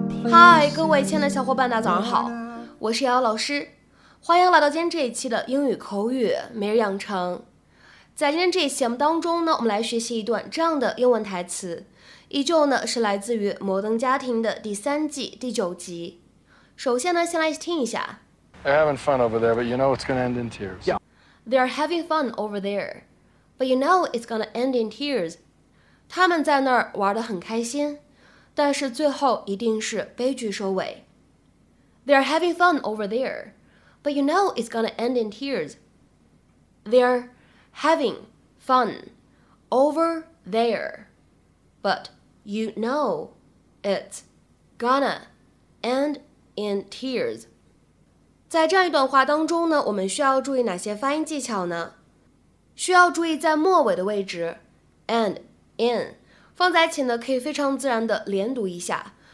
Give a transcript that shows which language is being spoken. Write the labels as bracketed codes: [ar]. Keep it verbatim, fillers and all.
[zh] 嗨，各位亲爱的小伙伴，大家早上好，我是瑶瑶老师，欢迎来到今天这一期的英语口语每日养成。在今天这一期节目当中呢，我们来学习一段这样的英文台词，依旧呢是来自于《摩登家庭》的第三季第九集。首先呢，先来听一下。 [en] They're having fun over there, but you know it's going to end in tears. Yeah. They're having fun over there, but you know it's going to end in tears. [zh] 他们在那儿玩得很开心，但是最后一定是悲剧收尾。 [en] They're having fun over there, but you know it's going to end in tears. They're having fun over there, but you know it's gonna end in tears. [zh] 在这样一段话当中呢，我们需要注意哪些发音技巧呢？需要注意在末尾的位置 and in 放在一起呢，可以非常自然的连读一下。